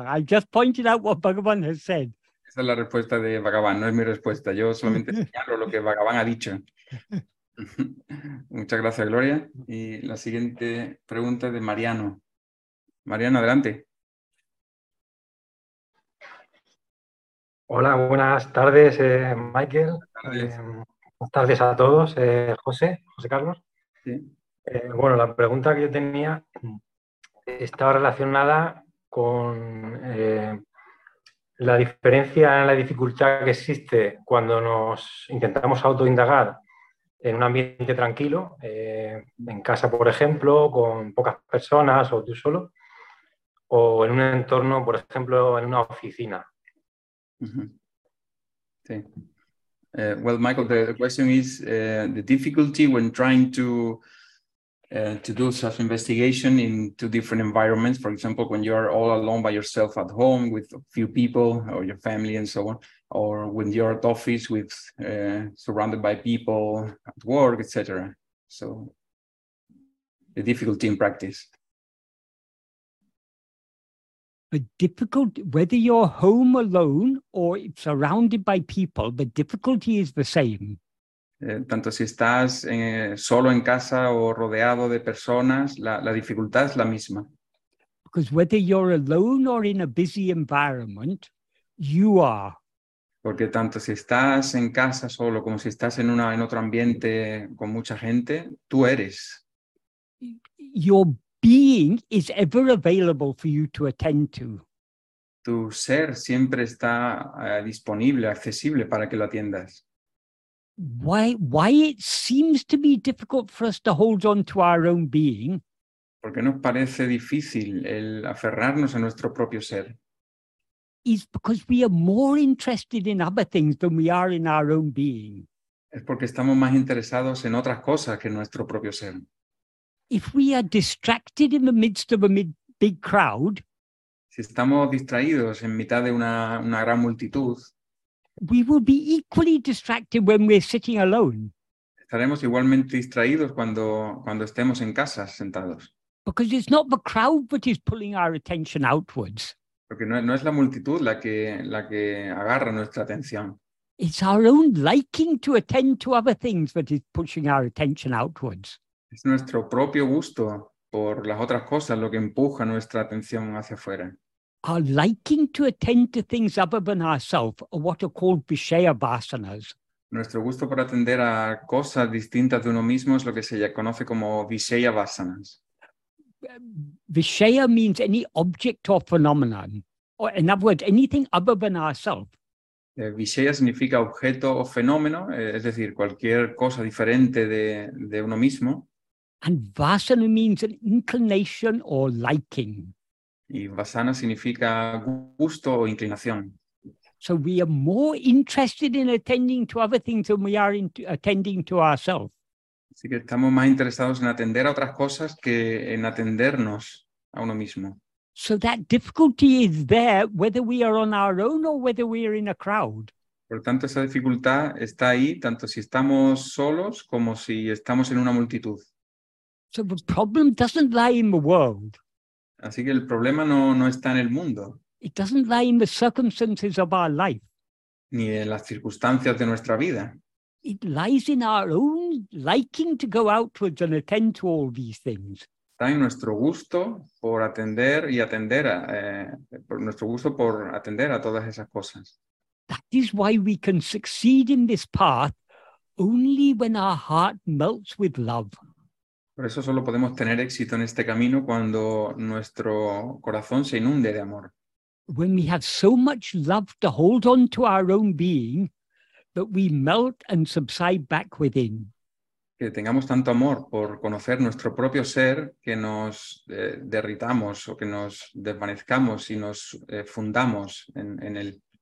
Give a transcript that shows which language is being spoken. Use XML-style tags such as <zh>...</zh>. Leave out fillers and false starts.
<en>I just pointed out what Bhagavan has said.</en> <es>Esa es la respuesta de Bhagavan. No es mi respuesta. Yo solamente señalo lo que Bhagavan ha dicho. Muchas gracias, Gloria. Y la siguiente pregunta es de Mariano. Mariano, adelante. Hola, buenas tardes, Michael. Buenas tardes a todos, José Carlos. Sí. Bueno, la pregunta que yo tenía estaba relacionada con la diferencia en la dificultad que existe cuando nos intentamos autoindagar en un ambiente tranquilo, en casa, por ejemplo, con pocas personas o tú solo, o en un entorno, por ejemplo, en una oficina. Mm-hmm.</es> <en>Well, Michael, the question is the difficulty when trying to do self-investigation in two different environments, for example, when you're all alone by yourself at home with a few people or your family and so on, or when you're at office with surrounded by people at work, etc. So the difficulty in practice. The difficulty, whether you're home alone or surrounded by people, the difficulty is the same.</en> <es>Tanto si estás solo en casa o rodeado de personas, la dificultad es la misma.</es> <en>Because whether you're alone or in a busy environment, you are.</en> <es>Porque tanto si estás en casa solo como si estás en otro ambiente con mucha gente, tú eres.</es> <en>Your being is ever available for you to attend to.</en> <es>Tu ser siempre está disponible, accesible para que lo atiendas.</es> <en>Why it seems to be difficult for us to hold on to our own being?</en> <es>¿Por qué nos parece difícil el aferrarnos a nuestro propio ser?</es> <en>Is because we are more interested in other things than we are in our own being.</en> <es>Es porque estamos más interesados en otras cosas que en nuestro propio ser.</es> <en>If we are distracted in the midst of a big crowd,</en> <es>si estamos distraídos en mitad de una gran multitud,</es> <en>we will be equally distracted when we're sitting alone.</en> <es>Estaremos igualmente distraídos cuando estemos en casa sentados.</es> <en>Because it's not the crowd that is pulling our attention outwards.</en> <es>Porque no es la multitud la que agarra nuestra atención.</es> <en>It's our own liking to attend to other things that is pushing our attention outwards.</en> <es>Es nuestro propio gusto por las otras cosas lo que empuja nuestra atención hacia afuera.</es> <en>Our liking to attend to things other than ourselves are what are called vishaya vasanas.</en> <es>Nuestro gusto por atender a cosas distintas de uno mismo es lo que se conoce como vishaya vasanas.</es> <en>Vishaya means any object or phenomenon, or in other words, anything other than ourselves.</en> <es>Vishaya significa objeto o fenómeno, es decir, cualquier cosa diferente de uno mismo.</es> <en>And vasana means an inclination or liking.</en> <es>Y vasana significa gusto o inclinación.</es> <en>So we are more interested in attending to other things than we are in attending to ourselves.</en> <es>Así que estamos más interesados en atender a otras cosas que en atendernos a uno mismo.</es> <en>So that difficulty is there whether we are on our own or whether we are in a crowd.</en> <es>Por tanto, esa dificultad está ahí tanto si estamos solos como si estamos en una multitud.</es> <en>So the problem doesn't lie in the world.</en> <es>Así que el problema no está en el mundo.</es> <en>It doesn't lie in the circumstances of our life.</en> <es>Ni en las circunstancias de nuestra vida.</es> <en>It lies in our own liking to go outwards and attend to all these things.</en> <es>también nuestro gusto por atender y atender a por nuestro gusto por atender a todas esas cosas.</es> <en>That is why we can succeed in this path only when our heart melts with love.</en> <es>Por eso solo podemos tener éxito en este camino cuando nuestro corazón se inunde de amor.</es> <en>When we have so much love to hold on to our own being that we melt and subside back within.</en> <es>Que tengamos tanto amor por conocer nuestro propio ser que nos derritamos o que nos desvanezcamos y nos fundamos en él.</es>